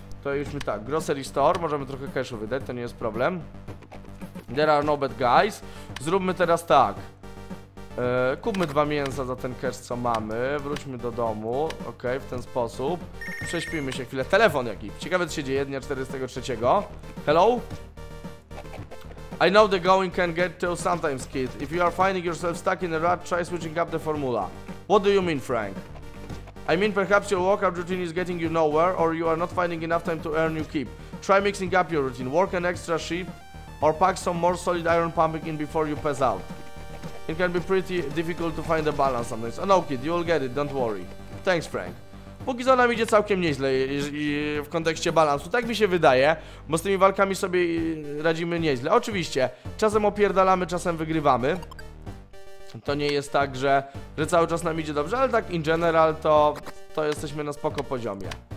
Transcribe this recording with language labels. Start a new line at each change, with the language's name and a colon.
Polish: To już mi tak,
English: grocery store,
Polish: możemy trochę cashu wydać, to nie jest problem.
English: There are no bad guys,
Polish: zróbmy teraz tak. Kupmy dwa mięsa za ten kers, co mamy. Wróćmy do domu. Okej, w ten sposób. Prześpijmy się chwilę. Telefon jaki? Ciekawe, co się dzieje dnia 43.
English: Hello? I know the going can get to sometimes, kid. If you are finding yourself stuck in a rut, try switching up the formula. What do you mean, Frank? I mean, perhaps your workout routine is getting you nowhere, or you are not finding enough time to earn your keep. Try mixing up your routine. Work an extra shift, or pack some more solid iron pumping in before you pass out. It can be pretty difficult to find a balance sometimes. Oh, no, kid, you will get it, don't worry. Thanks, Frank.
Polish: Póki co nam idzie całkiem nieźle w kontekście balansu. Tak mi się wydaje, bo z tymi walkami sobie radzimy nieźle. Oczywiście, czasem opierdalamy, czasem wygrywamy. To nie jest tak, że cały czas nam idzie dobrze, ale tak
English: in general
Polish: to jesteśmy na spoko poziomie.